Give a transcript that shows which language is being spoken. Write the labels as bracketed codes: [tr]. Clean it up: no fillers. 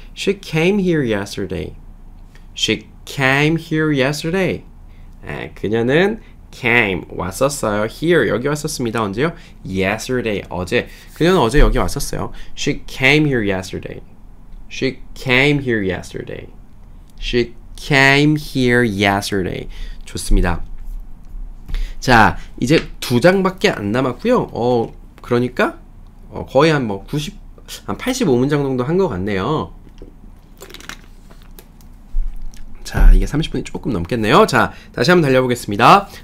[en] She came here yesterday. She came here yesterday. [ko] 네, 그녀는 came, 왔었어요. Here, 여기 왔었습니다. 언제요? Yesterday, 어제. 그녀는 어제 여기 왔었어요. [en] She came here yesterday. She came here yesterday. She came here yesterday. [ko] 좋습니다. 자, 이제 두 장밖에 안 남았고요. 그러니까 거의 한 뭐 한 85문장 정도 한 것 같네요. 자, 이게 30분이 조금 넘겠네요. 자, 다시 한번 달려보겠습니다.